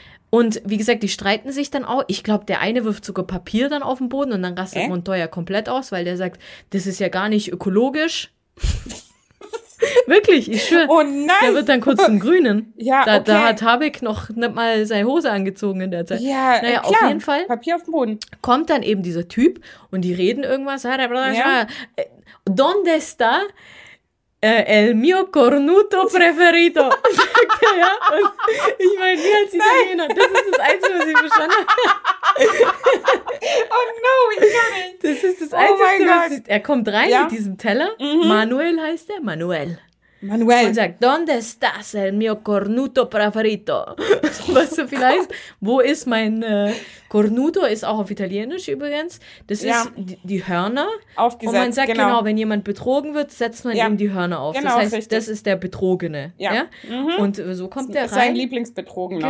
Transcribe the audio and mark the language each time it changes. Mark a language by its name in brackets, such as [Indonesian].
[German] Und wie gesagt, die streiten sich dann auch. Ich glaube, der eine wirft sogar Papier dann auf den Boden und dann rastet Montoya komplett aus, weil der sagt, das ist ja gar nicht ökologisch. Wirklich, ich schwöre. Oh nein. Der wird dann kurz zum Grünen. Ja, da, okay. Da hat Habeck noch nicht mal seine Hose angezogen in der Zeit. Ja, naja, klar. Auf jeden Fall. Papier auf dem Boden. Kommt dann eben dieser Typ und die reden irgendwas. Ja. [Spanish] ¿Dónde está el mio cornuto preferito? [German] Ja, ich meine, wie hat sie das erinnert? Das ist das Einzige, was ich verstanden habe. Oh no, ich kann nicht. Das ist das Einzige, oh mein was Gott. Ich, er kommt rein, ja, mit diesem Teller. Mhm. Manuel heißt er, Manuel. Manuel. Und sagt, [Spanish] ¿dónde estás el mio cornuto preferito? [German] Was so viel heißt, wo ist mein cornuto, ist auch auf Italienisch übrigens, das, ja, ist die Hörner. Aufgesetzt, und man sagt, genau, genau, wenn jemand betrogen wird, setzt man, ja, ihm die Hörner auf. Genau, das heißt, richtig, das ist der Betrogene. Ja. Ja? Mhm. Und so kommt der rein. Sein Lieblingsbetrogener.